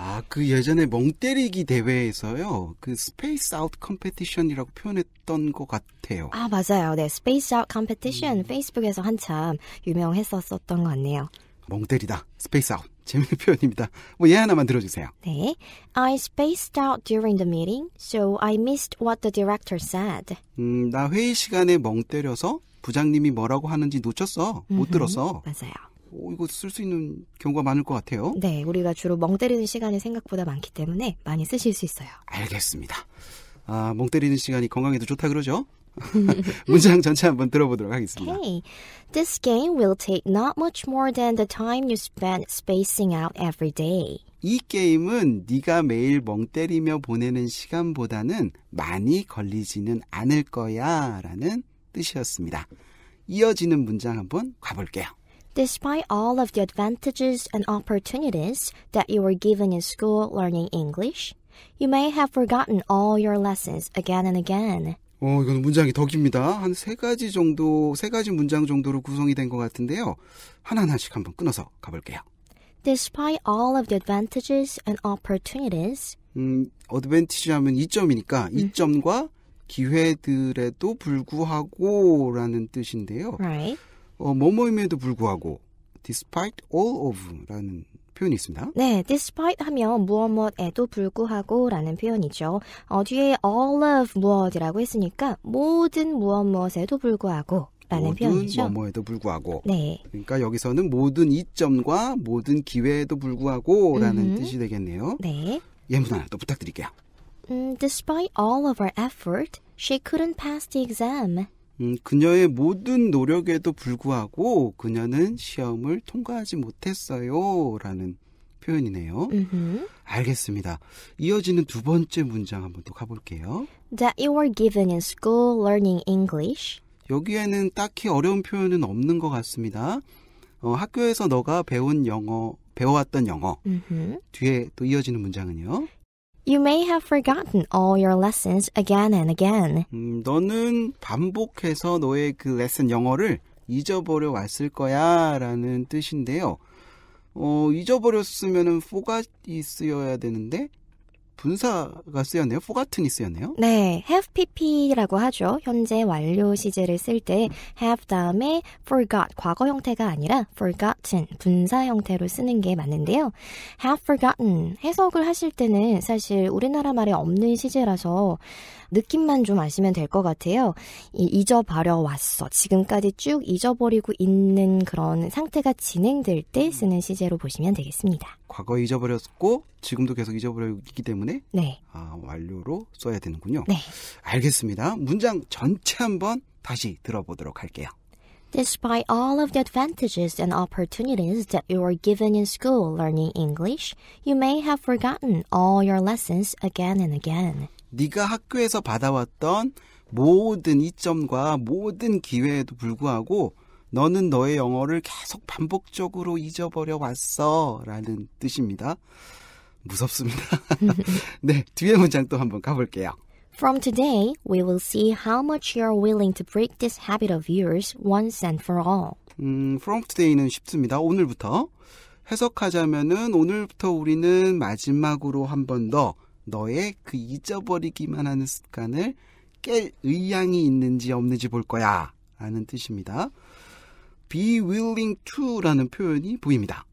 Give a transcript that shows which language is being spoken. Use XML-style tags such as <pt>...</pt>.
<ko>그 예전에 멍 때리기 대회에서요. 그</ko> <en>space out competition</en> <ko>이라고 표현했던 것 같아요. 맞아요. 네,</ko> <en>space out competition.</en> <ko>페이스북에서 한참 유명했었던 것 같네요. 멍 때리다.</ko> <en>space out.</en> <ko>재밌는 표현입니다. 뭐 예 하나만 들어주세요. 네.</ko> <en>I spaced out during the meeting, so I missed what the director said.</en> <ko>나 회의 시간에 멍 때려서 부장님이 뭐라고 하는지 놓쳤어. 못 들었어. 맞아요. 이거 쓸 수 있는 경우가 많을 것 같아요. 네. 우리가 주로 멍 때리는 시간이 생각보다 많기 때문에 많이 쓰실 수 있어요. 알겠습니다. 멍 때리는 시간이 건강에도 좋다 그러죠? 문장 전체 한번 들어보도록 하겠습니다.</ko> <en>Okay. This game will take not much more than the time you spend spacing out every day.</en> <ko>이 게임은 네가 매일 멍 때리며 보내는 시간보다는 많이 걸리지는 않을 거야 라는 뜻이었습니다. 이어지는 문장 한번 가볼게요.</ko> <en>Despite all of the advantages and opportunities that you were given in school learning English, you may have forgotten all your lessons again and again.</en> <ko>이건 문장이 더 깁니다. 한 세 가지 문장 정도로 구성이 된 것 같은데요. 하나하나씩 한번 끊어서 가볼게요.</ko> <en>Despite all of the advantages and opportunities.</en> <ko>advantage 하면 이점이니까 이점과 기회들에도 불구하고 라는 뜻인데요.</ko> <en>Right.</en> <ko>뭐뭐임에도 불구하고</ko> <en>despite all of</en> <ko>라는 표현이 있습니다. 네, despite 하면 무엇무엇에도 불구하고 라는 표현이죠. 뒤에 all of 무엇이라고 했으니까 모든 무엇무엇에도 불구하고 라는 표현이죠. 모든 뭐뭐에도 불구하고. 네. 그러니까 여기서는 모든 이점과 모든 기회에도 불구하고 라는 음흠. 뜻이 되겠네요. 네. 예문 하나 또 부탁드릴게요.</ko> <en>Despite all of her effort, she couldn't pass the exam.</en> <ko>그녀의 모든 노력에도 불구하고 그녀는 시험을 통과하지 못했어요. 라는 표현이네요. Mm-hmm. 알겠습니다. 이어지는 두 번째 문장 한번 또 가볼게요.</ko> <en>That you were given in school learning English.</en> <ko>여기에는 딱히 어려운 표현은 없는 것 같습니다. 학교에서 너가 배운 영어, 배워왔던 영어. Mm-hmm. 뒤에 또 이어지는 문장은요.</ko> <en>You may have forgotten all your lessons again and again.</en> <ko>너는 반복해서 너의 그 레슨 영어를 잊어버려 왔을 거야 라는 뜻인데요. 잊어버렸으면 forgot이 쓰여야 되는데 분사가 쓰였네요. forgotten이 쓰였네요. 네. have pp라고 하죠. 현재 완료 시제를 쓸 때 have 다음에 forgot 과거 형태가 아니라 forgotten 분사 형태로 쓰는 게 맞는데요. have forgotten 해석을 하실 때는 사실 우리나라 말에 없는 시제라서 느낌만 좀 아시면 될 것 같아요. 잊어버려 왔어. 지금까지 쭉 잊어버리고 있는 그런 상태가 진행될 때 쓰는 시제로 보시면 되겠습니다. 과거 잊어버렸고 지금도 계속 잊어버리고 있기 때문에 네. 완료로 써야 되는군요. 네. 알겠습니다. 문장 전체 한번 다시 들어보도록 할게요.</ko> <en>Despite all of the advantages and opportunities that you were given in school learning English, you may have forgotten all your lessons again and again.</en> <ko>네가 학교에서 받아왔던 모든 이점과 모든 기회에도 불구하고 너는 너의 영어를 계속 반복적으로 잊어버려 왔어 라는 뜻입니다. 무섭습니다. 네, 뒤에 문장 또 한번 가볼게요.</ko> <en>From today, we will see how much you are willing to break this habit of yours once and for all. From today</en> <ko>는 쉽습니다. 오늘부터 해석하자면은 오늘부터 우리는 마지막으로 한 번 더 너의 그 잊어버리기만 하는 습관을 깰 의향이 있는지 없는지 볼 거야 라는 뜻입니다.</ko> <en>Be willing to</en> <ko>라는 표현이 보입니다.</ko>